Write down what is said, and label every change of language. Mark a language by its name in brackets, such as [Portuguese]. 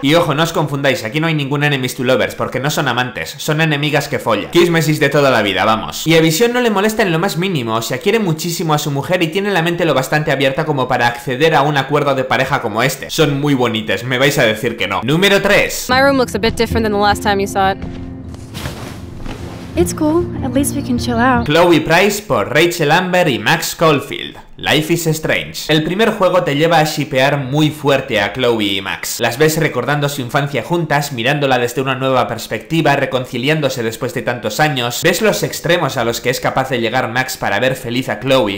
[Spanish] Y ojo, no os confundáis, aquí no hay ningún enemies to lovers, porque no son amantes, son enemigas que follan. Kismesis de toda la vida, vamos. Y a Vision no le molesta en lo más mínimo, o sea, quiere muchísimo a su mujer y tiene la mente lo bastante abierta como para acceder a un acuerdo de pareja como este. Son muy bonites, me vais a decir que no. Número 3. [English] My room looks a bit different than the last time you saw it. It's cool, at least we can chill out. [Spanish] Chloe Price por Rachel Amber y Max Caulfield. Life is Strange. El primer juego te lleva a shipear muy fuerte a Chloe y Max. Las ves recordando su infancia juntas, mirándola desde una nueva perspectiva, reconciliándose después de tantos años. Ves los extremos a los que es capaz de llegar Max para ver feliz a Chloe.